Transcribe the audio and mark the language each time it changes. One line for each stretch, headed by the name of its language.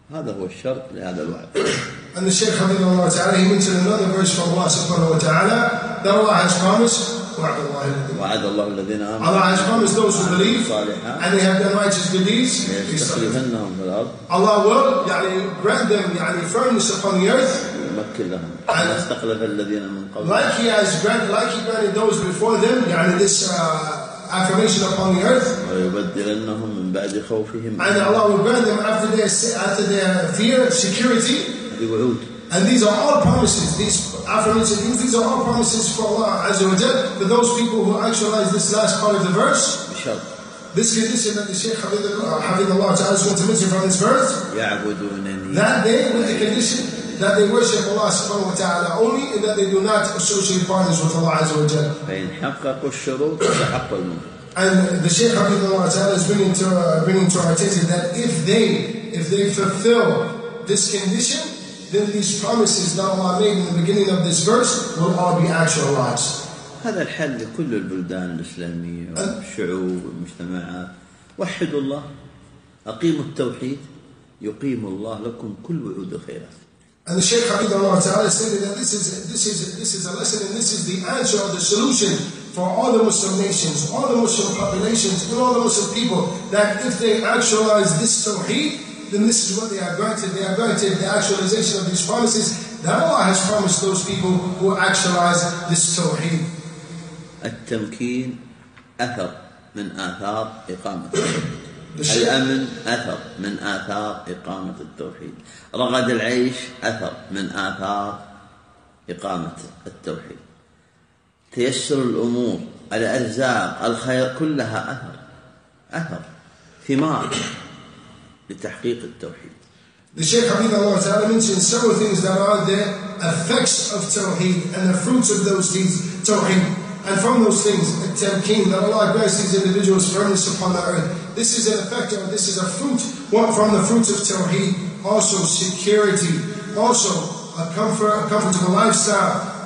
Arabic: هذا هو الشرط لهذا الوعد.
English: And the Shaykh
Arabic: حفظه الله تعالى,
English: he mentioned another verse from Allah
Arabic: سبحانه وتعالى
English: that Allah has promised.
Arabic: وعد الله الذين آمنوا.
English: Allah has promised those who believe and they have done righteous good deeds.
Arabic: يستخلفنهم في الأرض.
English: Allah will يعني grant them يعني firmness upon the earth.
Arabic: يمكن لهم. كما استخلف الذين من قبل.
English: Like he has granted, like he granted those before them, يعني this affirmation upon the earth.
Arabic: ويبدلنهم من بعد خوفهم.
English: And Allah will grant them after their fear, security.
Arabic: هذه وعود.
English: And these are all promises. These affirmations. These are all promises for Allah Azza wa Jal for those people who actualize this last part of the verse. Bishal. This condition that the Shaykh Hafidh Allah Ta'ala is going to mention from this verse.
Arabic: يعبدونني.
English: That day with the condition that they worship Allah Subhanahu wa Taala only and that they do not associate partners with Allah Azza wa Jal.
Arabic: فإن حقق الشروط فحق المنكر.
English: And the Shaykh Hafidh Allah Ta'ala is bringing to our attention that if they fulfill this condition, then these promises that Allah made in the beginning of this verse will all be actualized.
Arabic: هذا الحل لكل البلدان الإسلامية والشعوب والمجتمعات. وحدوا الله, أقيموا التوحيد, يقيم الله لكم كل وعود الخيرات.
English: And the Shaykh
Arabic: حفظه الله تعالى
English: said that this is a lesson and this is the answer or the solution for all the Muslim nations, all the Muslim populations, and all the Muslim people, that if they actualize this tawheed, then this is what they are granted. They are granted the actualization of these promises that Allah has promised those people who actualize this tawheed.
Arabic: التمكين أثر من آثار إقامة الأمن أثر من آثار إقامة التوحيد. رغد العيش أثر من آثار إقامة التوحيد. تيسر الأمور, الأرزاق, الخير, كلها أثر ثمار لتحقيق التوحيد.
English: The Shaykh
Arabic: حفظه الله تعالى
English: mentioned several things that are the effects of tawheed and the fruits of those deeds, tawheed. And from those things, the tamkeen, that Allah grants these individuals firmness upon the earth. This is an effect of, this is a fruit, what from the fruits of tawheed, also security, also a comfort, a comfortable lifestyle.